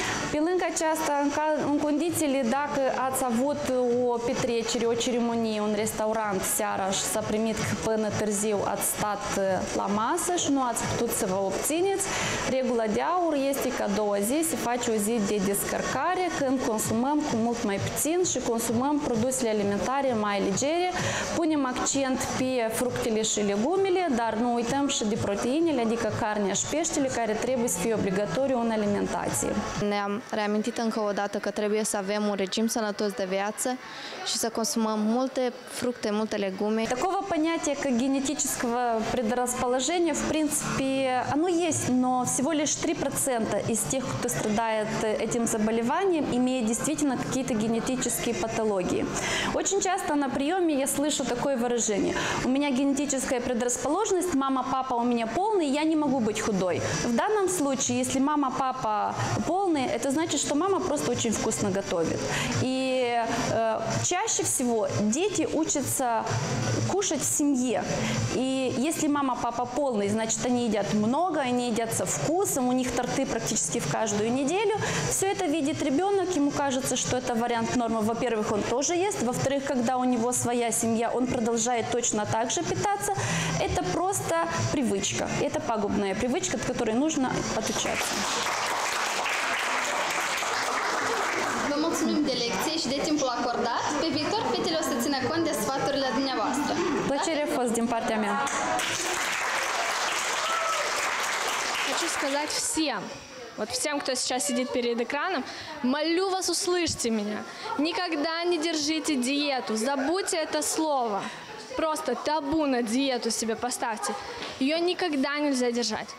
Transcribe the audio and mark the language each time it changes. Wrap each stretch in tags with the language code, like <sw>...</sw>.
<ro>Pe lângă aceasta, în condițiile dacă ați avut o petrecere, o ceremonie, un restaurant seara și s-a primit că până târziu ați stat la masă și nu ați putut să vă obțineți, regula de aur este ca două zi să faci o zi de descărcare când consumăm cu mult mai puțin și consumăm produsele alimentare mai ligere, punem accent pe fructele și legumele, dar nu uităm și de proteinele, adică carnea și peștele, care trebuie să fie obligatoriu în alimentație. Reamintit încă o dată că trebuie să avem un regim sănătos de viață și să consumăm multe fructe, multe legume.</ro> <ru>Такого понятия, как генетического предрасположения, в принципе, оно есть, но всего лишь 3% из тех, кто страдает этим заболеванием, имеет действительно какие-то генетические патологии. Очень часто на приеме я слышу такое выражение. У меня генетическая предрасположенность, мама, папа у меня полный, я не могу быть худой. В данном случае, если мама, папа полные, это значит, что мама просто очень вкусно готовит. И чаще всего дети учатся кушать в семье. И если мама, папа полный, значит, они едят много, они едят со вкусом, у них торты практически в каждую неделю. Все это видит ребенок, ему кажется, что это вариант нормы. Во-первых, он тоже ест. Во-вторых, когда у него своя семья, он продолжает точно так же питаться. Это просто привычка. Это пагубная привычка, от которой нужно отучаться.</ru> <ro>Mulțumim de lecție și de timpul acordat. Pe viitor, fetele o să țină cont de sfaturile dumneavoastră. Plăcere a fost din partea mea.</ro> <ru>Хочу сказать всем, вот всем, кто сейчас сидит перед экраном, молю вас, услышьте меня. Никогда не держите диету, забудьте это слово. Просто табу на диету себе поставьте. Ее никогда нельзя держать.</ru>